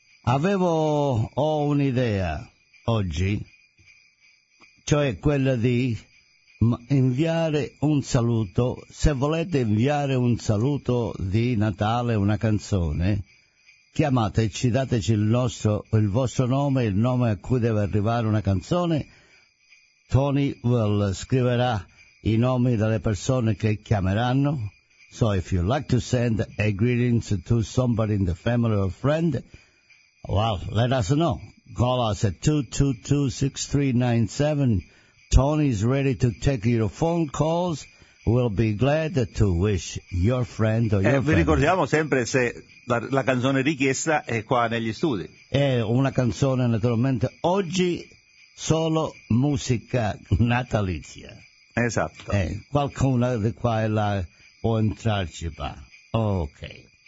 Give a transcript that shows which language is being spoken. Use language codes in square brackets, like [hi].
[it] Ho un'idea oggi, cioè quella di inviare un saluto. Se volete inviare un saluto di Natale, una canzone, chiamateci, dateci il vostro nome, il nome a cui deve arrivare una canzone. Tony scriverà I nomi delle persone che chiameranno. [en] So if you'd like to send a greetings to somebody in the family or friend, well, let us know. Call us at 222-6397. Tony is ready to take your phone calls. We'll be glad to wish your friend or your family. [it] Vi ricordiamo sempre se la canzone richiesta è qua negli studi. È una canzone naturalmente oggi solo musica natalizia. Esatto. Qualcuno di qua e là può entrarci, va. Ok.